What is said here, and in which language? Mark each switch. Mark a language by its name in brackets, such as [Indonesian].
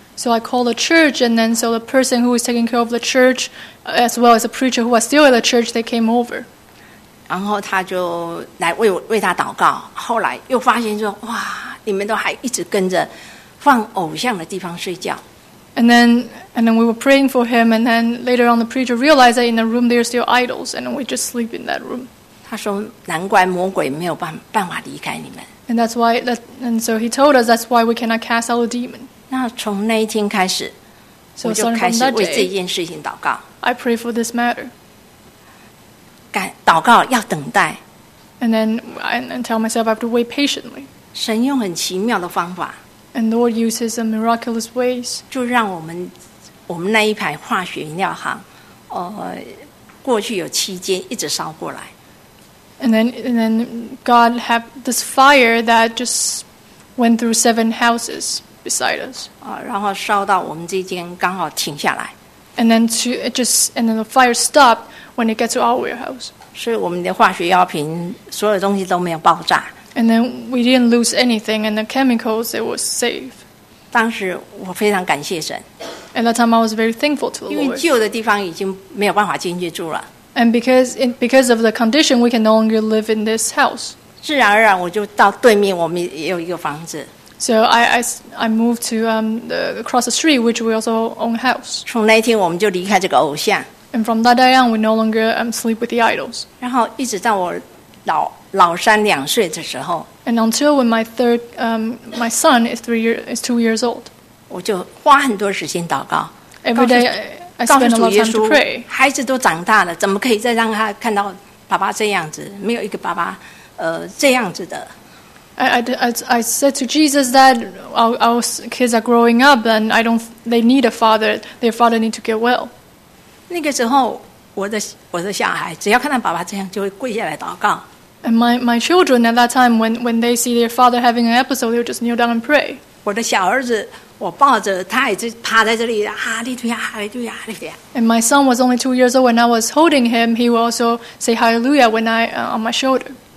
[English] So I called the church, and then so the person who was taking care of the church, as well as the preacher who was still at the church, they came over. [Chinese] 然后他就来为他祷告，后来又发现说，哇，你们都还一直跟着放偶像的地方睡觉。 [English] And then we were praying for him, and then later on the preacher realized that in the room there are still idols, and we just sleep in that room. [Chinese] 他说，难怪魔鬼没有办法离开你们。 [English] And so he told us that's why we cannot cast out a demon. [Chinese] 那从那一天开始，我就开始为这件事情祷告。 [English] I pray for this matter. [Chinese] 祷告要等待 [English] and then tell myself I have to wait patiently. [Chinese] 神用很奇妙的方法 [English] and Lord uses miraculous ways. [Chinese] 就让我们那一排化学饮料行，过去有七间一直烧过来。 [English] And then God had this fire that just went through seven houses beside us. [Chinese] 然后烧到我们这间刚好停下来。 [English] And then the fire stopped. When it gets to our warehouse. [Chinese] 所以我们的化学药品所有东西都没有爆炸。 [English] And then we didn't lose anything, and the chemicals, it was safe. [Chinese] 当时我非常感谢神。 [English] At that time, I was very thankful to the Lord. [Chinese] 因为旧的地方已经没有办法进去住了。 [English] And because of the condition, we can no longer live in this house. [Chinese] 自然而然, 我就到对面, 我们也有一个房子。 [English] So I moved to across the street, which we also own a house. [Chinese] 从那天我们就离开这个偶像。 [English] And from that day on, we no longer sleep with the idols. [Chinese] 然后一直到我老三两岁的时候, [English] And until when my third my son is 2 years old. [Chinese] 我就花很多时间祷告。 [English] Every day I spend a lot of time to pray. [Chinese] 孩子都长大了, 怎么可以再让他看到爸爸这样子, 没有一个爸爸, 这样子的。 [English] I said to Jesus that our kids are growing up and they need a father. Their father need to get well. [Chinese] 那个时候, 我的小孩, 只要看到爸爸这样, 就会跪下来祷告。 [English] And my children at that time, when they see their father having an episode, they would just kneel down and pray. [Chinese] 我的小儿子, 我抱着他也是趴在这里, 哈利路亚, 哈利路亚, 哈利路亚。 [English] And my son was only 2 years old when I was holding him. He would also say hallelujah when I on my shoulder.